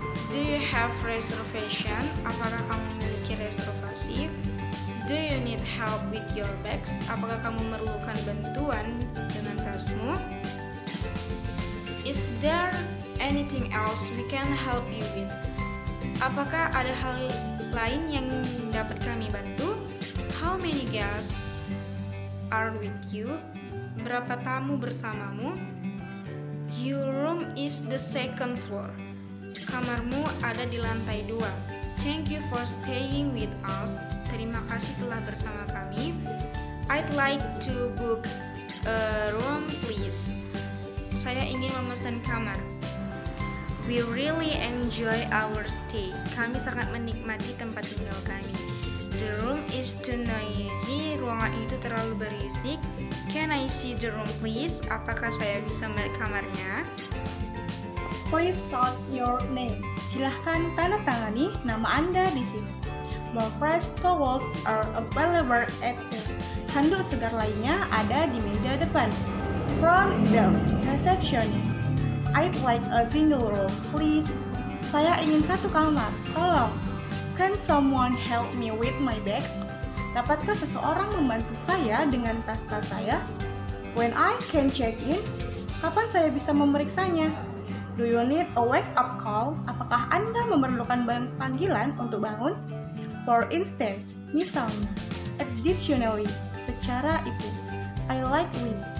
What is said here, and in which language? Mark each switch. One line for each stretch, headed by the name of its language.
English: Do you have reservation?
Indonesian: Apakah kamu memiliki reservasi?
English: Do you need help with your bags?
Indonesian: Apakah kamu memerlukan bantuan dengan tasmu?
English: Is there anything else we can help you with?
Indonesian: Apakah ada hal lain yang dapat kami bantu?
English: How many guests are with you?
Indonesian: Berapa tamu bersamamu?
English: Your room is the second floor.
Indonesian: Kamarmu ada di lantai 2.
English: Thank you for staying with us.
Indonesian: Terima kasih telah bersama kami.
English: I'd like to book a room, please.
Indonesian: Saya ingin memesan kamar.
English: We really enjoy our stay.
Indonesian: Kami sangat menikmati tempat tinggal kami.
English: The room is too noisy.
Indonesian: Ruangan itu terlalu berisik.
English: Can I see the room, please?
Indonesian: Apakah saya bisa melihat kamarnya?
English: Please sign your name.
Indonesian: Silahkan tanda tangani nama Anda di sini.
English: More fresh towels are available at the.
Indonesian: Handuk segar lainnya ada di meja depan.
English: From the receptionist. I'd like a single room, please.
Indonesian: Saya ingin satu kamar, tolong.
English: Can someone help me with my bags?
Indonesian: Dapatkah seseorang membantu saya dengan tas-tas saya?
English: When I can check in,
Indonesian: kapan saya bisa memeriksanya?
English: Do you need a wake-up call?
Indonesian: Apakah Anda memerlukan panggilan untuk bangun?
English: For instance,
Indonesian: misalnya,
English: additionally,
Indonesian: secara itu,
English: I like this.